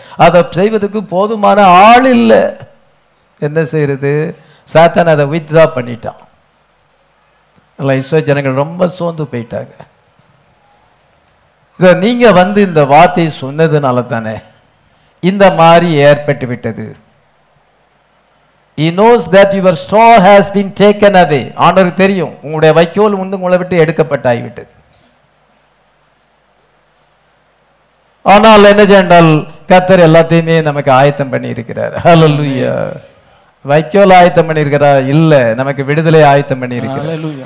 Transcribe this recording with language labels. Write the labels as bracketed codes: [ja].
[ta] அதை செய்வதற்கு போதுமான ஆள் இல்லை. என்ன செய்யறது? சாத்தான் அதை வித்ட்ரா பண்ணிட்டான். எல்லாம் இஸ்ரவேல் ஜனங்கள் ரொம்ப சோர்ந்து போயிட்டாங்க. இதை நீங்க வந்து இந்த வார்த்தையை சொன்னதுனால தானே இந்த மாதிரி ஏற்பட்டு விட்டது. [en] He knows that your straw has been taken away. [ta] ஆண்டவர் தெரியும் உங்களுடைய வைக்கோல் வந்து உங்களை விட்டு எடுக்கப்பட்டாய்விட்டது. ஆனால் என்ன செய்தால் கர்த்தர் எல்லாத்தையுமே நமக்கு ஆயத்தம் பண்ணி இருக்கிறார். ஹல்லேலூயா. வைக்கோல் ஆயத்தம் பண்ணியிருக்கிறா? இல்ல, நமக்கு விடுதலை ஆயத்தம் பண்ணியிருக்கிறார்.